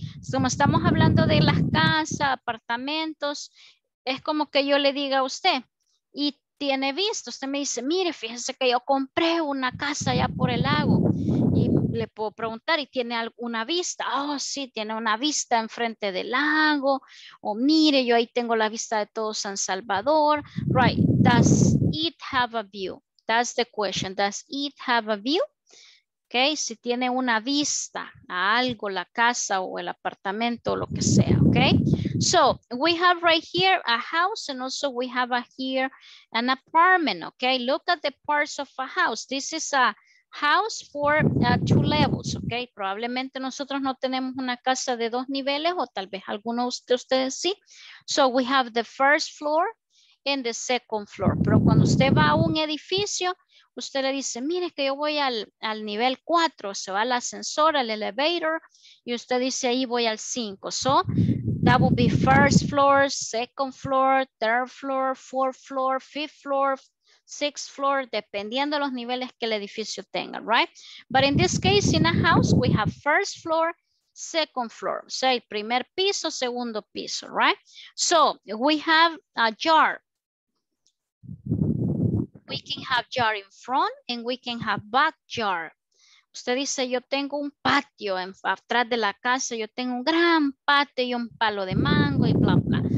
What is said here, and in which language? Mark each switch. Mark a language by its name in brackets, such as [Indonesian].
[Spanish] Como estamos hablando de las casas, apartamentos, es como que yo le diga a usted, y tiene vista, usted me dice, mire, fíjese que yo compré una casa allá por el lago, y le puedo preguntar, ¿y tiene alguna vista? Oh, sí, tiene una vista enfrente del lago, o mire, yo ahí tengo la vista de todo San Salvador. [English] Right, does it have a view? That's the question, does it have a view? [Spanish] Okay, si tiene una vista a algo, la casa o el apartamento o lo que sea, okay? [English] So, we have right here a house and also we have here an apartment, okay? Look at the parts of a house. This is a house for 2 levels, okay? [Spanish] Probablemente nosotros no tenemos una casa de 2 niveles o tal vez algunos de ustedes sí. [English] So, we have the first floor and the second floor. [Spanish] Pero cuando usted va a un edificio, usted le dice, mire que yo voy al nivel 4, se va al ascensor, al elevator, y usted dice, ahí voy al 5. [English] So, that would be first floor, second floor, third floor, fourth floor, fifth floor, sixth floor, [Spanish] dependiendo de los niveles que el edificio tenga, [English] right? But in this case, in a house, we have first floor, second floor. [Spanish] O sea, el primer piso, segundo piso, right? [English] So, we have a jar. We can have jar in front and we can have back jar. [Spanish] Usted dice, yo tengo un patio en, atrás de la casa, yo tengo un gran patio y un palo de mango y bla, bla.